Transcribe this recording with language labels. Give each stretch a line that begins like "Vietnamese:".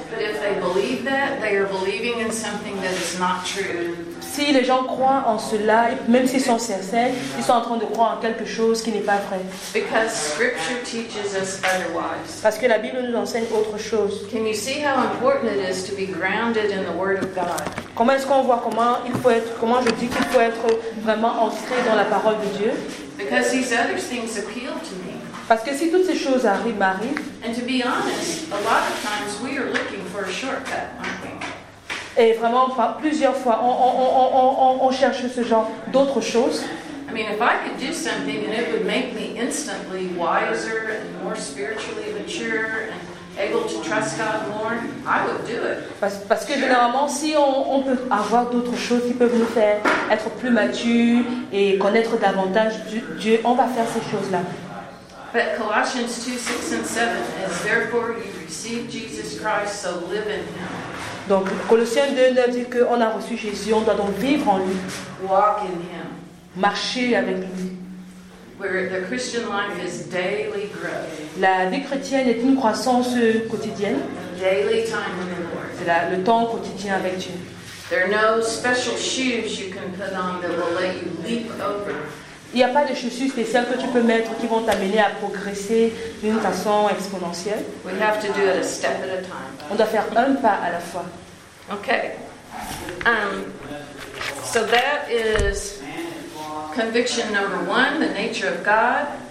English: But if they believe that, they are believing in something that is not true.
French: Si les gens croient en cela, même s'ils sont sincères, ils sont en train de croire en quelque chose qui n'est pas vrai.
English: Because scripture teaches us otherwise.
French: Parce que la Bible nous enseigne autre chose.
English: Can you see how important it is to be grounded in the Word of God?
French: Comment est-ce qu'on voit comment je dis qu'il faut être vraiment ancré dans la parole de Dieu?
English: Because these other things appeal to me.
French: Parce que si toutes ces choses arrivent,
English: and to be honest, a lot of times we are looking for a shortcut.
French: Et vraiment, plusieurs fois, on cherche ce genre d'autres choses.
English: I mean, if I could do something and it would make me instantly wiser and more spiritually mature and able to trust God more, I would do it.
French: Parce que généralement, si on peut avoir d'autres choses qui peuvent nous faire être plus matures et connaître davantage Dieu, on va faire ces choses-là.
English: But Colossians 2:6-7, as therefore you receive Jesus Christ, so live in him.
French: Donc Colossiens 2, 9 dit qu'on a reçu Jésus, on doit donc vivre en lui.
English: Walk in him.
French: Marcher avec lui.
English: Where the Christian life is daily growth.
French: La vie chrétienne est une croissance quotidienne.
English: Daily time in the Lord.
French: C'est là, le temps quotidien avec Dieu.
English: There are no special shoes you can put on that will let you leap over.
French: Il n'y a pas de chaussures spéciales que tu peux mettre qui vont t'amener à progresser d'une façon exponentielle.
English: We have to do it a step at a time.
French: On doit faire un pas à la fois.
English: Okay. So that is conviction number one, the nature of God.